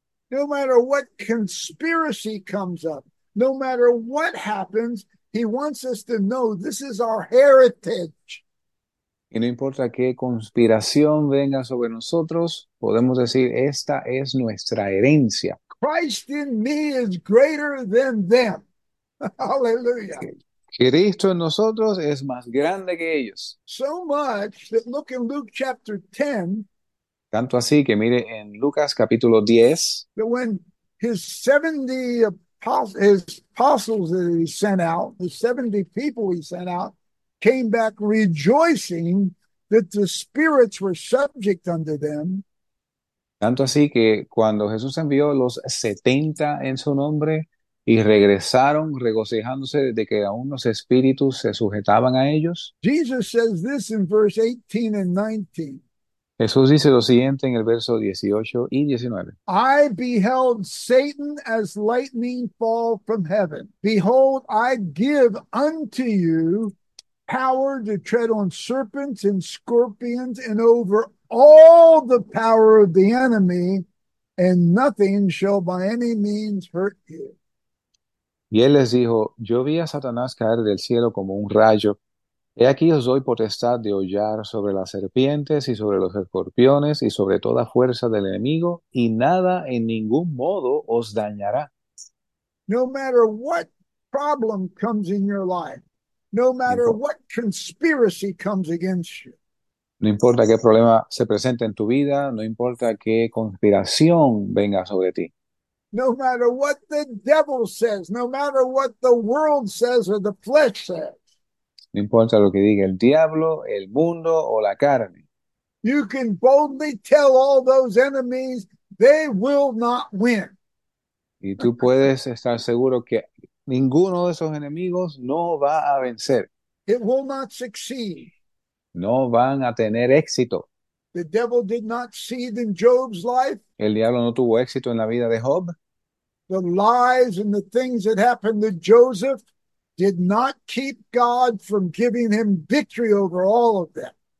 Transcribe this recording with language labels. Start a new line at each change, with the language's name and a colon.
English: No matter what conspiracy comes up, no matter what happens, he wants us to know this is our heritage.
Spanish: Y no importa qué conspiración venga sobre nosotros, podemos decir, esta es nuestra herencia.
English: Christ in me is greater than them. Hallelujah.
Spanish: Cristo en nosotros es más grande que ellos.
English: So much that look in Luke chapter 10,
Spanish: Tanto así que mire en Lucas capítulo 10.
English: that when his 70 apostles, his apostles that he sent out, the 70 people he sent out, came back rejoicing that the spirits were subject unto them.
Spanish: Tanto así que cuando Jesús envió los 70 en su nombre y regresaron regocijándose de que aún los espíritus se sujetaban a ellos.
English: Jesus says this in verse 18 and 19.
Spanish: Jesús dice lo siguiente en el verso 18 y 19.
English: I beheld Satan as lightning fall from heaven. Behold, I give unto you power to tread on serpents and scorpions and over all the power of the enemy, and nothing shall by any means hurt you.
Spanish: Y él les dijo: Yo vi a Satanás caer del cielo como un rayo. He aquí os doy potestad de hollar sobre las serpientes y sobre los escorpiones y sobre toda fuerza del enemigo, y nada en ningún modo os dañará.
English: No matter what problem comes in your life, no matter what conspiracy comes against you,
Spanish: No importa qué problema se presente en tu vida, no importa qué conspiración venga sobre ti.
English: no matter what the devil says, no matter what the world says or the flesh says,
Spanish: No importa lo que diga el diablo, el mundo o la carne.
English: you can boldly tell all those enemies they will not win.
Spanish: Y tú puedes estar seguro que ninguno de esos enemigos no va a vencer.
English: It will not succeed.
Spanish: No van a tener éxito.
English: The devil did not succeed in Job's life.
Spanish: El diablo no tuvo éxito en la vida de Job.
English: The lies and the things that happened to Joseph did not keep God from giving him victory over all of them.